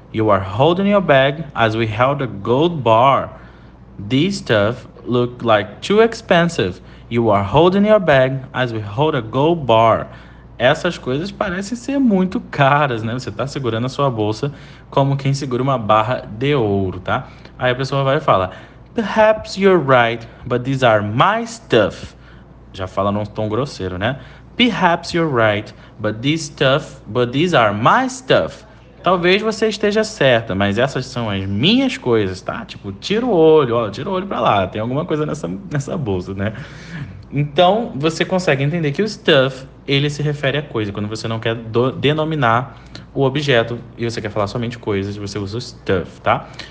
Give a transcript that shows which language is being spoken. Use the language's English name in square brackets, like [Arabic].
[English] You are holding your bag as we held a gold bar. This stuff look like too expensive. You are holding your bag as we hold a gold bar. [Portuguese] Essas coisas parecem ser muito caras, né? Você tá segurando a sua bolsa como quem segura uma barra de ouro, tá? Aí a pessoa vai falar, [English] perhaps you're right, but these are my stuff. [Portuguese] Já fala num tom grosseiro, né? [English] Perhaps you're right, but these are my stuff. [Portuguese] Talvez você esteja certa, mas essas são as minhas coisas, tá? Tipo, tira o olho, ó, tira o olho pra lá, tem alguma coisa nessa bolsa, né? Então, você consegue entender que o stuff, ele se refere a coisa. Quando você não quer denominar o objeto e você quer falar somente coisas, você usa o stuff, tá?